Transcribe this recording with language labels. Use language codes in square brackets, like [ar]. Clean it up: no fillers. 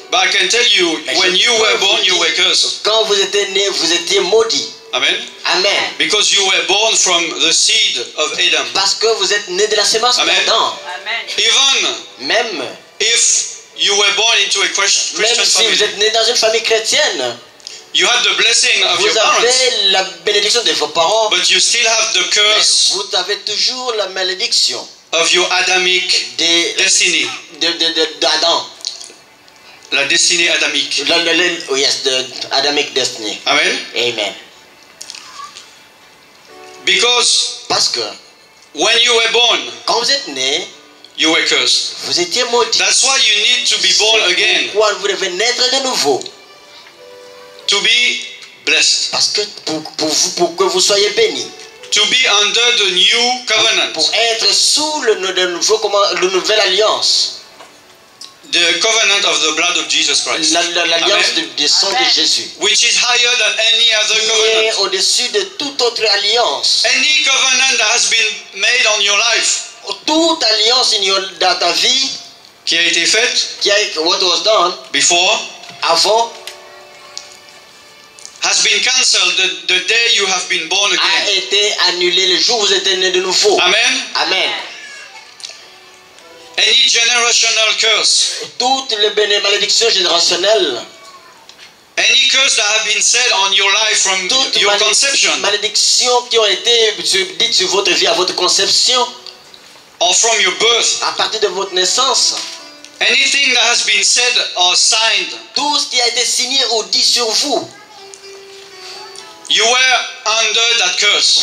[en] But I can tell you, mais when you were born, dire, you were cursed. [fr] Quand vous étiez né, vous étiez maudits. Amen. Amen. [en] Because you were born from the seed of Adam. [fr] Parce que vous êtes né de la semence d'Adam. Amen. Amen. [en] Even [fr] même [en] if you were born into a Christian [fr] même si [en] family, [fr] vous êtes né dans une famille chrétienne, [en] you have the blessing of [fr] vous [en] your [fr] avez [en] parents, [fr] la bénédiction de vos parents, [en] but you still have the curse, [fr] mais vous avez toujours la malédiction [en] of your Adamic destiny. [fr] D'Adam. La destinée adamique. [en] Yes, the Adamic destiny. Amen. Amen. Because [fr] parce que [en] when you were born, [fr] quand vous êtes né, [en] you were cursed. [fr] Vous étiez maudit. [en] That's why you need to be born again. [fr] Pourquoi vous devez naître de nouveau. [en] To be blessed. [fr] Parce que pour que vous soyez béni. [en] To be under the new covenant. [fr] Pour être sous le nouvel alliance. [en] The covenant of the blood of Jesus Christ. [fr] L'alliance du sang de Jésus. [en] Which is higher than any other covenant. [fr] Qui est au-dessus de toute autre alliance. [en] Any covenant that has been made on your life. [fr] Toute alliance dans ta vie. Qui a été faite. Qui a [en] what was done. Before. [fr] Avant. [en] Has been cancelled the day you have been born again. [fr] A été annulé le jour où vous êtes né de nouveau. Amen. Amen. [en] Any generational curse. [fr] Toutes les malédictions générationnelles. [en] Any curse that have been said on your life from [fr] toutes [en] your conception. [fr] Malédictions qui ont été dites sur votre vie à votre conception. [en] Or from your birth. [fr] À partir de votre naissance. [en] Anything that has been said or signed. [fr] Tout ce qui a été signé ou dit sur vous. [en] You were under that curse.